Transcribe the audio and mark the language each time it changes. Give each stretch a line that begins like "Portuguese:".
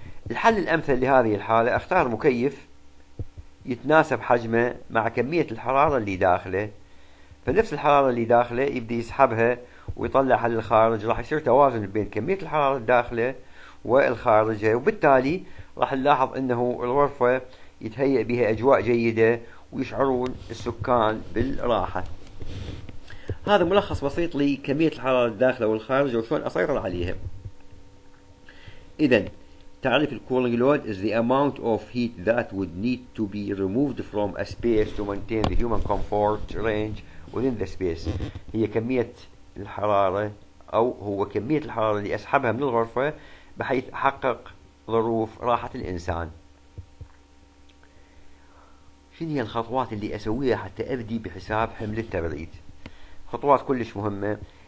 Arabic: الحل الأمثل لهذه الحالة أختار مكيف يتناسب حجمه مع كمية الحرارة اللي داخله، فنفس الحرارة اللي داخله يبدي يسحبها ويطلعها للخارج، راح يصير توازن بين كمية الحرارة الداخلة والخارجة، وبالتالي راح نلاحظ أنه الغرفة يتهيئ بها أجواء جيدة ويشعرون السكان بالراحة. هذا ملخص بسيط لكمية الحرارة الداخلة والخارجة وشلون أسيطر عليها. إذن تعريف الكولينج لود
English: is the amount of heat that would need to be removed from a space to maintain the human comfort range within the space.
Arabic: هي كمية الحرارة، أو هو كمية الحرارة اللي أسحبها من الغرفة بحيث أحقق ظروف راحة الإنسان. شنو هي الخطوات اللي أسويها حتى أبدي بحساب حمل التبريد؟ خطوات كلش مهمة.